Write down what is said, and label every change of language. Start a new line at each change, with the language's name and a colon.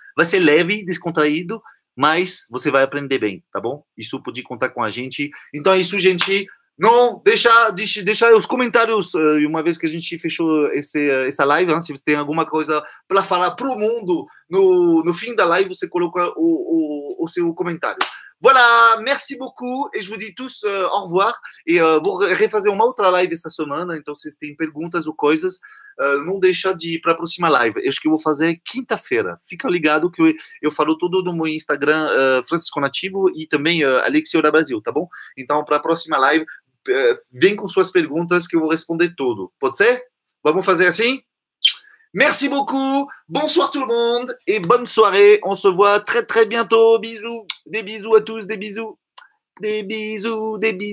Portuguese: Vai ser leve, descontraído, mas você vai aprender bem, tá bom? Isso pode contar com a gente. Então é isso, gente. Não deixa, deixa os comentários, uma vez que a gente fechou essa live, se você tem alguma coisa para falar pro mundo no fim da live, você coloca o seu comentário.
French: Voilà, merci beaucoup et je vous dis tous au revoir.
Portuguese: Et vou refazer uma outra live essa semana, então se vocês têm perguntas ou coisas, não deixa de ir para a próxima live. Eu acho que eu vou fazer quinta-feira. Fica ligado que eu falo tudo no meu Instagram, Francisco Nativo, e também Alexio da Brasil, tá bom? Então, para a próxima live, vem com suas perguntas que eu vou responder tudo. Pode ser? Vamos fazer assim?
French: Merci beaucoup, bonsoir tout le monde et bonne soirée. On se voit très très bientôt. Bisous, des bisous à tous, des bisous, des bisous, des bisous.